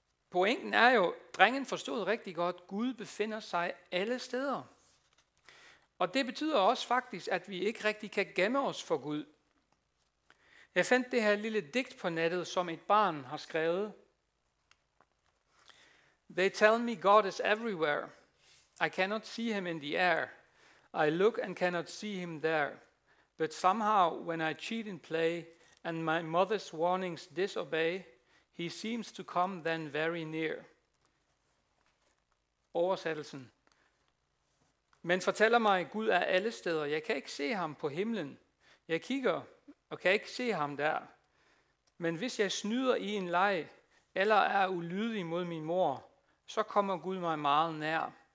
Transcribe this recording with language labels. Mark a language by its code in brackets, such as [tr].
[da] Pointen er jo, drengen forstod rigtig godt, Gud befinder sig alle steder. Og det betyder også faktisk, at vi ikke rigtig kan gemme os for Gud. Jeg fandt det her lille digt på nettet, som et barn har skrevet. [en] They tell me God is everywhere. I cannot see him in the air. I look and cannot see him there. But somehow, when I cheat in play and my mother's warnings disobey, he seems to come then very near. [da] Oversættelsen. Men fortæller mig, Gud er alle steder. Jeg kan ikke se ham på himlen. Jeg kigger og kan ikke se ham der. Men hvis jeg snyder i en leg eller er ulydig mod min mor, så kommer Gud mig meget nær.